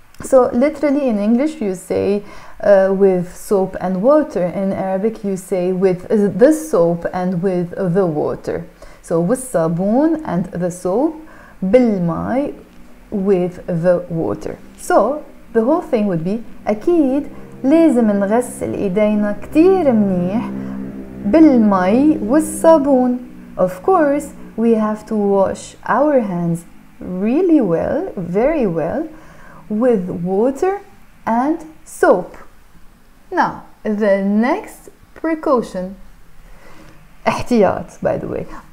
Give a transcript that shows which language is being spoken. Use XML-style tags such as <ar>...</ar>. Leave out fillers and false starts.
<en>So literally in English you say with soap and water. In Arabic you say with the soap and with the water. So wassabun and the soap, bilmai with the water. So the whole thing would be</en> <ar>أكيد لازم نغسل إيدينا كتير منيح بالمي والصابون.</ar> <en>Of course we have to wash our hands really well, very well, with water and soap. Now, the next precaution.</en> <ar>احتياط,</ar> <en>by the way.</en>